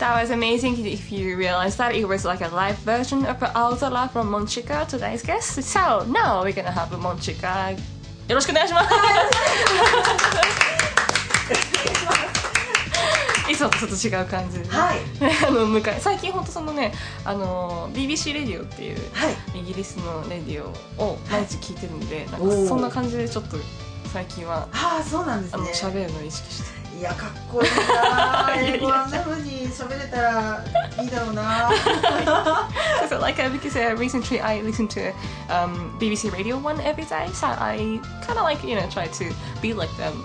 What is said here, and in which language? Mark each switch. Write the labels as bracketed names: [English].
[English] Amazing if you realize that it was like a live version of Aozora from Munchika, today's guest. So now we're gonna have Munchika. [Japanese] よろしくお願いします! いつもとちょっと違う感じで、はい、あの向かい最近本当そのね、BBC レディオっていう、はい、イギリスのレディオを毎日聞いてるんで、はい、なんかそんな感じでちょっと最近は、はあ、そうなんですね、喋るの意識して、いやかっこいいな英語あんな風に喋れたらいいだろうな。 [English] So like because recently I listen to BBC Radio 1 every day, so I kind of like you know try to be like them.